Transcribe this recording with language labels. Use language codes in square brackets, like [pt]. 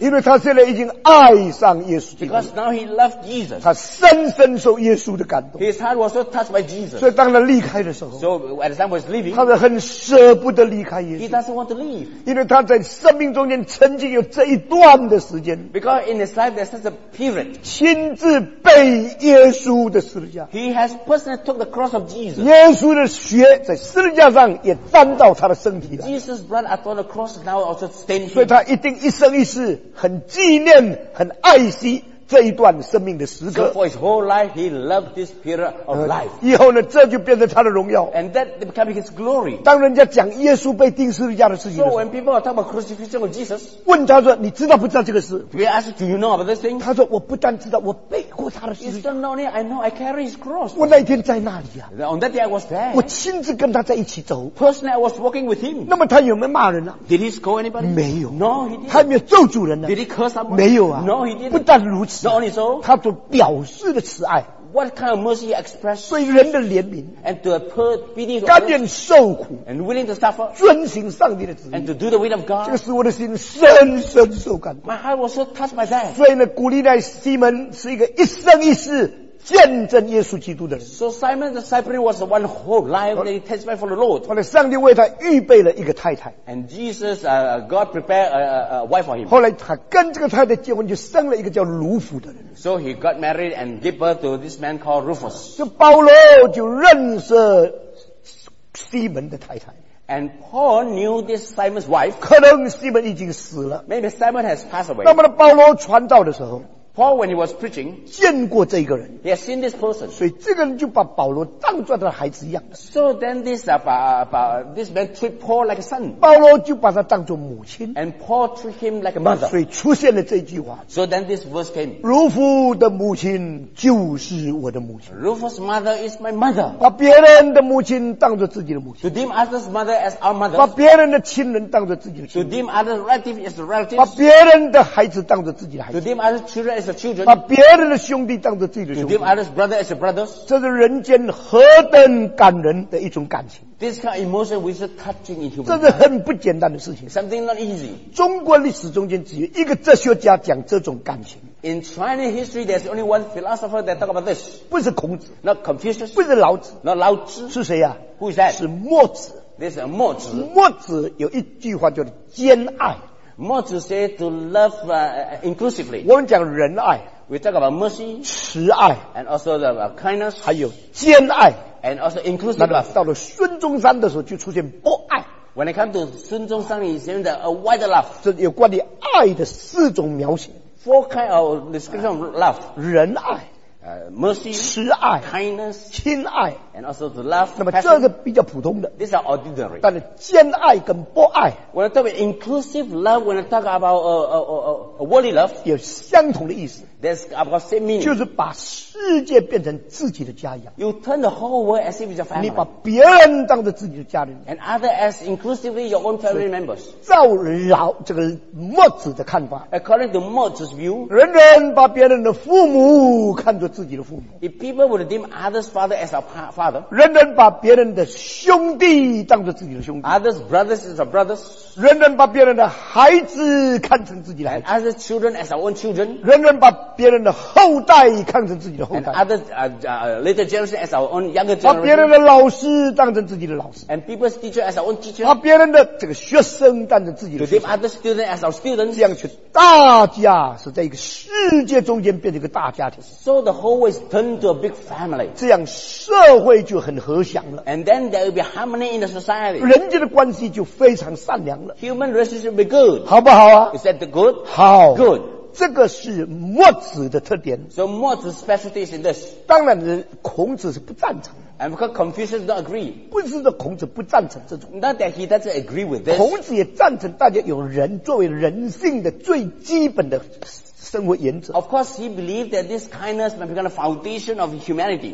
[zh] 因为他现在已经爱上耶稣 [en] Because now he loved Jesus [zh] 他深深受耶稣的感动 [en] His heart was so touched by Jesus [zh] 所以当他离开的时候 [en] So at the time he was leaving [zh] 他是很舍不得离开耶稣 [en] He doesn't want to leave. [zh] 因为他在生命中间曾经有这一段的时间。 [en] Because in his life there's such a period. [zh] 亲自背耶稣的十字架。 [en] He has personally took the cross of Jesus. [zh] 耶稣的血在十字架上也沾到他的身体了。 [en] Jesus' blood upon the cross now also stained him. [zh] 所以他一定一生一世很纪念、很爱惜这一段生命的时刻。 [en] So for his whole life, he loved this period of life. [zh] 以后呢，这就变成他的荣耀。 [en] And that became his glory. [zh] 当人家讲耶稣被钉十字架的事情 [en] ，So when people are talking about crucifixion of Jesus, [zh] 问他说，你知道不知道这个事 [en] ？We ask, do you know about this thing? [zh] 他说，我不但知道，我背过他的十字架。 [en] It's not only I know, I carry his cross. [zh] 我那一天在那里啊 [en] ，On that day I was there. [zh] 我亲自跟他在一起走。 [en] Personally, I was walking with him. [zh] 那么他有没有骂人啊 [en] ？Did he scold anybody? [zh] 没有。 [en] No, he didn't. [zh] 他有没有咒诅人呢 [en] ？Did he curse someone? [zh] 没有啊。 [en] No, he didn't. [zh] 不但如此。 [en] Not only so, [zh] 他所表示的慈爱 [en] what kind of mercy expresses? [zh] 对人的怜悯 [en] and to a poor pity, [zh] 甘愿受苦 [en] and willing to suffer, [zh] 遵行上帝的旨意 [en] and to do the will of God. [zh] 这个使我的心深深受感动 [en] My heart was so touched by that. [zh] 所以呢，古利奈西门是一个一生一世见证耶稣基督的人。 [en] So Simon the Cyprian was the one whole life that he testified for the Lord. [zh] 后来上帝为他预备了一个太太。 [en] And Jesus, God prepared a wife for him. [zh] 后来他跟这个太太结婚，就生了一个叫卢弗的人。 [en] So he got married and gave birth to this man called Rufus. [zh] 就保罗就认识西门的太太。 [en] And Paul knew this Simon's wife. [zh] 可能西门已经死了。 [en] Maybe Simon has passed away. [zh] 那么保罗传道的时候。 [en] Paul, when he was preaching, [zh] 见过这个人 [en] he has seen this person. [zh] 所以这个人就把保罗当作他的孩子一样。 [en] So then this, this man treat Paul like a son. [zh] 保罗就把他当作母亲。 [en] And Paul treat him like a mother. [zh] 所以出现了这句话。 [en] So then this verse came. [zh] 卢弗的母亲就是我的母亲。 [en] Rufus' mother is my mother. [zh] 把别人的母亲当作自己的母亲。 [en] To deem others' mother as our mother. [zh] 把别人的亲人当作自己的亲人。 [en] To deem others' relative as relatives. [zh] 把别人的孩子当作自己的孩子。 [en] To deem others' children as Children, [zh] 把别人的兄弟当作自己的兄弟 [en] to give others brother as brothers, [zh] 这是人间何等感人的一种感情 [en] this kind of emotion which is touching in human [zh] 这是很不简单的事情 [en] something not easy [zh] 中国历史中间只有一个哲学家讲这种感情 [en] in Chinese history there's only one philosopher that talk about this [zh] 不是孔子 [en] not Confucius [zh] 不是老子 [en] not 老子 [zh] 是谁啊 [en] who is that [zh] 是墨子 [en] this is 墨子 [zh] 墨子有一句话叫做兼爱 [en] 墨子 say to love inclusively. [zh] 我们讲仁爱 [en] we talk about mercy, [zh] 慈爱 [en] and also the kindness, [zh] 还有兼爱 [en] and also inclusive love. [zh] 到了孙中山的时候就出现博爱 [en] when it comes to 孙中山 he said a wider love. [zh] 这有关于爱的四种描写 [en] four kinds of description of love. [zh] 仁爱 [en] mercy, [zh] 慈爱 [en] kindness, [zh] 亲爱 [en] and also the love, [zh] 那么这个比较普通的 [en] these are ordinary, [zh] 但是兼爱跟博爱 [en] when I talk about inclusive love, when I talk about worldly love, [zh] 有相同的意思 [en] that's about same meaning, [zh] 就是把世界变成自己的家一样 [en] you turn the whole world as if it's a family, [zh] 你把别人当作自己的家人 [en] and other as inclusively your own family members, [zh] 照老这个墨子的看法 [en] according to 墨子's view, [zh] 人人把别人的父母看作自己的父母 [en] if people would deem others father as a father [zh] 人人把别人的兄弟当作自己的兄弟 [en] others brothers as a brothers [zh] 人人把别人的孩子看成自己的孩子 [en] and others children as our own children [zh] 人人把别人的后代看成自己的后代 [en] and others later generation as our own younger generation [zh] 把别人的老师当成自己的老师 [en] and people's teacher as our own teacher [zh] 把别人的这个学生当成自己的学生 [en] to deem others student as our students [zh] 这样去大家是在一个世界中间变成一个大家庭 [en] soThe whole world is turned to a big family. [zh] 这样社会就很和祥了。 [en] And then there will be harmony in the society. [zh] 人际的关系就非常善良了。 [en] Human relationship will be good. [zh] 好不好啊 [en] ？Is that good? [zh] 好。 [en] Good. [zh] 这个是墨子的特点。 [en] So 墨子 's specialty is in this. [zh] 当然，孔子是不赞成。 [en] And because Confucius don't agree. [zh] 不是说孔子不赞成这种。 [en] Not that he doesn't agree with this. [zh] 孔子也赞成大家有人作为人性的最基本的。生活原则。 [en] Of course, he believed that this kindness might become the foundation of humanity.